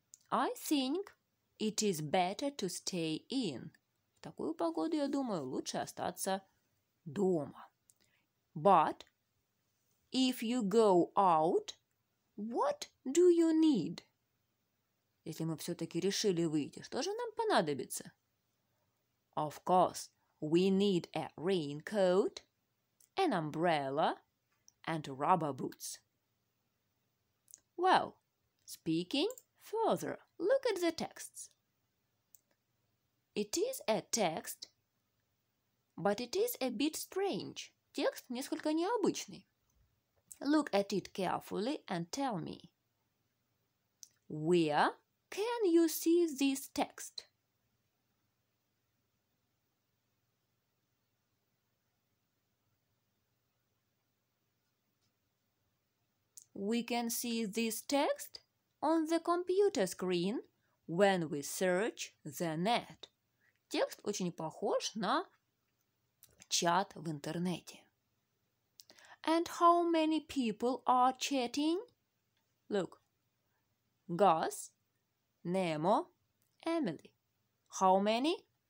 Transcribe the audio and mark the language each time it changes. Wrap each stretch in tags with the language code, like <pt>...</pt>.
<en>I think it is better to stay in.</en> <ru>В такую погоду, я думаю, лучше остаться дома.</ru> <en>But if you go out, what do you need?</en> <ru>Если мы все-таки решили выйти, что же нам понадобится?</ru> <en>Of course, we need a raincoat, an umbrella, and rubber boots. Well, speaking further, look at the texts. It is a text, but it is a bit strange.</en> <ru>Текст несколько необычный.</ru> <en>Look at it carefully and tell me. Where can you see this text? We can see this text on the computer screen when we search the net.</en> <ru>Текст очень похож на чат в интернете.</ru> <en>And how many people are chatting? Look. Gus, Nemo, Emily. How many?</en>